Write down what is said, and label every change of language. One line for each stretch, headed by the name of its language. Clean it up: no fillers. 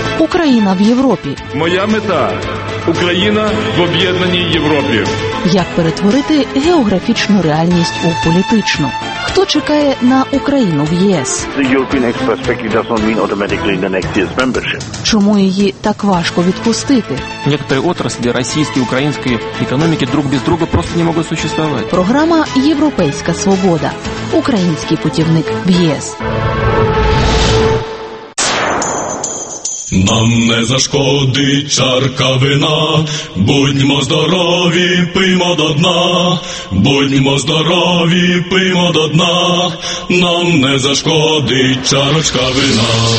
Ukrainian: Україна в Європі. Моя мета – Україна в об'єднаній Європі. Як перетворити географічну реальність у політичну? Хто чекає на Україну в ЄС?
English: The European next perspective doesn't mean automatically the next year's membership.
Ukrainian: Чому її так важко відпустити?
Russian: Некоторі отраслі російської, української економіки друг без друга просто не можуть существувати.
Ukrainian: Програма «Європейська свобода». Український путівник в ЄС. Нам не зашкодить чарка вина, будьмо здорові, пиймо до дна, будьмо здорові, пиймо до дна, нам не зашкодить чарочка вина.